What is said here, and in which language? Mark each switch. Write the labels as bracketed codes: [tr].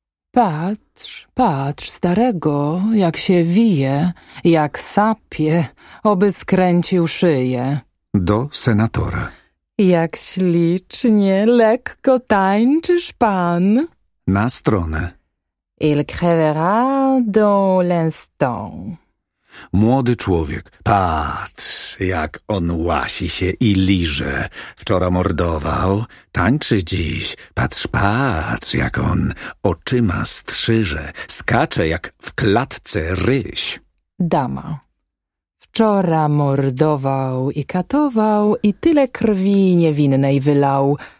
[pl] Patrz, patrz, starego, jak się wije, jak sapie, oby skręcił szyję. Do senatora. Jak ślicznie, lekko tańczysz, pan. Na stronę. [fr] Il crevera dans l'instant. [pl] Młody człowiek, patrz, jak on łasi się i liże. Wczoraj mordował, tańczy dziś. Patrz, patrz, jak on oczyma strzyże. Skacze jak w klatce ryś. Dama, wczoraj mordował i katował i tyle krwi niewinnej wylał.